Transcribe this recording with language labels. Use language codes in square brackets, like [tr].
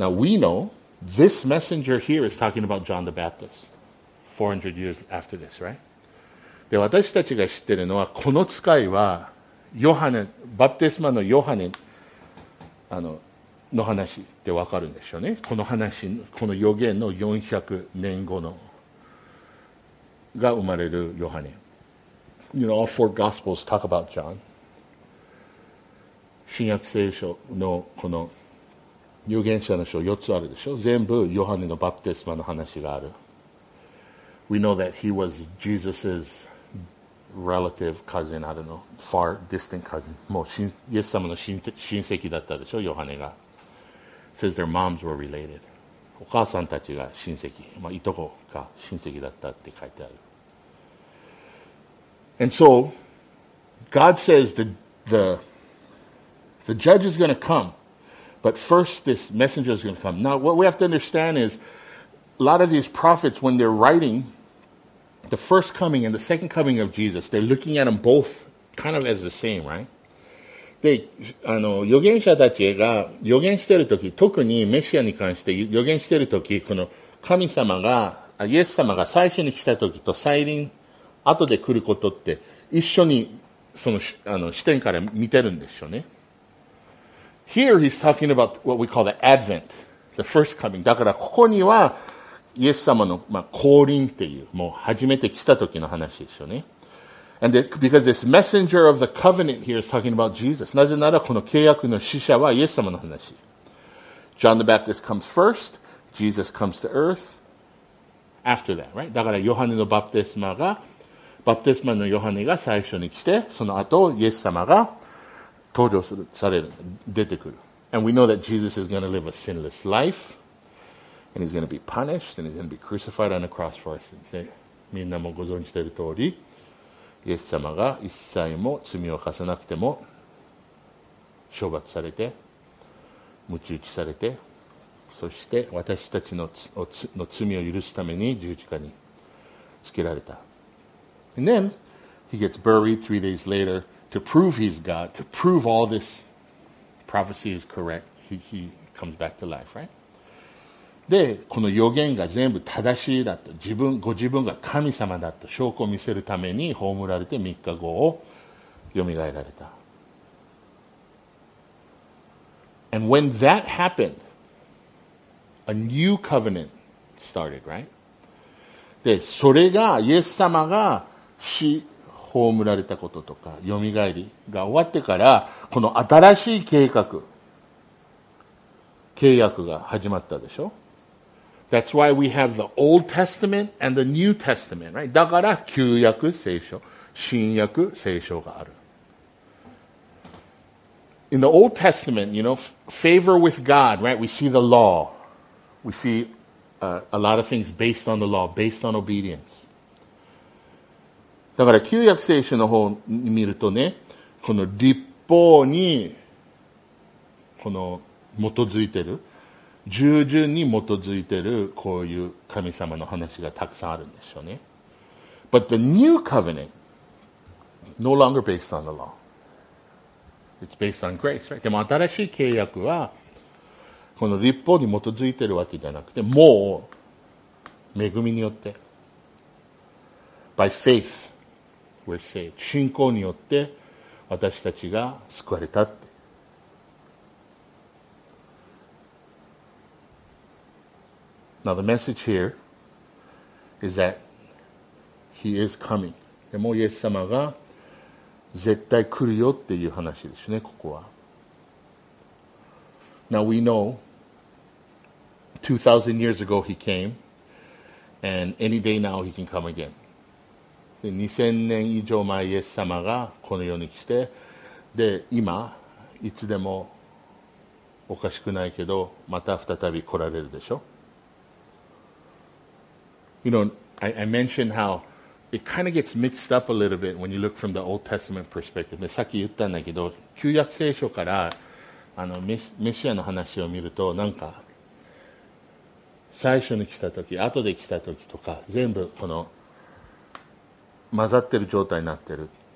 [en] Now we know this messenger here is talking about John the Baptist, 400 years after this, right? [ja] で、私たちが知ってるのは、この使いは、ヨハネ、バプテスマのヨハネ、あの、の話ってわかるんでしょうね。この話、この予言の400年後のが生まれるヨハネ。 [en] You know, all four Gospels talk about John. [ja] 新約聖書のこの預言者の書4つあるでしょ。全部ヨハネのバプテスマの話がある。 [en] We know that he was Jesus's relative cousin, I don't know, far distant cousin. [ja] もうイエス様の親戚だったでしょ、ヨハネが。 [en] Says their moms were related. [ja] お母さんたちが親戚、まあ、いとこか親戚だったって書いてある。 [en] And so, God says the judge is going to come, but first this messenger is going to come. Now, what we have to understand is, a lot of these prophets, when they're writing the first coming and the second coming of Jesus, they're looking at them both kind of as the same, right? [ja] で、あの、預言者たちが預言しているとき、特にメシアに関して預言しているとき、この神様が、イエス様が最初に来たときと再臨、後で来ることって、一緒にその、あの、視点から見てるんでしょうね。 [en] Here he's talking about what we call the Advent, the first coming. [ja] だからここには、イエス様の、まあ、降臨っていう、もう初めて来たときの話でしょうね。 [en] And the, because this messenger of the covenant here is talking about Jesus. [ja] なぜならこの契約の使者はイエス様の話。 [en] John the Baptist comes first, Jesus comes to earth after that, right? [ja] だからヨハネのバプテスマが、バプテスマのヨハネが最初に来て、その後イエス様が登場する、される、出てくる。 [en] And we know that Jesus is going to live a sinless life, and he's going to be punished, and he's going to be crucified on a cross for our sins. [ja] みんなもご存じている通り、イエス様が一切も罪を犯さなくても処罰されて、鞭打ちされて、そして私たちの罪を許すために十字架につけられた。 [en] And then he gets buried 3 days later to prove he's God, to prove all this prophecy is correct. He comes back to life, right? [ja] で、この予言が全部正しいだと、ご自分が神様だと証拠を見せるために葬られて3日後を蘇られた。 [en] And when that happened, a new covenant started, right? [ja] で、それがイエス様が死、葬られたこととか、蘇りが終わってから、この新しい計画、契約が始まったでしょ？ [en] That's why we have the Old Testament and the New Testament, right? [ja] だから、旧約聖書、新約聖書がある。 [en] In the Old Testament, you know, favor with God, right? We see the law. We see a lot of things based on the law, based on obedience. [ja] だから旧約聖書の方に見るとね、この律法にこの基づいてる、従順に基づいてるこういう神様の話がたくさんあるんでしょうね。 [en] But the new covenant, no longer based on the law. It's based on grace, right? [ja] でも新しい契約はこの律法に基づいているわけじゃなくて、もう恵みによって [en] By faith we're saved. [ja] 信仰によって私たちが救われたって。 [en] Now the message here is that he is coming. [ja] でもイエス様が絶対来るよっていう話ですね、ここは。 [en] Now we know 2,000 years ago he came and any day now he can come again. [ja] 2,000 年以上前イエス様がこの世に来て、で、今いつでもおかしくないけど、また再び来られるでしょ。 [en] You know, I mentioned howIt kind of gets mixed up a little bit when you look from the Old Testament perspective. [ja] さっき言ったんだけど、旧約聖書からあのメシアの話を見ると、なんか最初に来た時、後で来た時とか、全部この混ざってる状態になってる。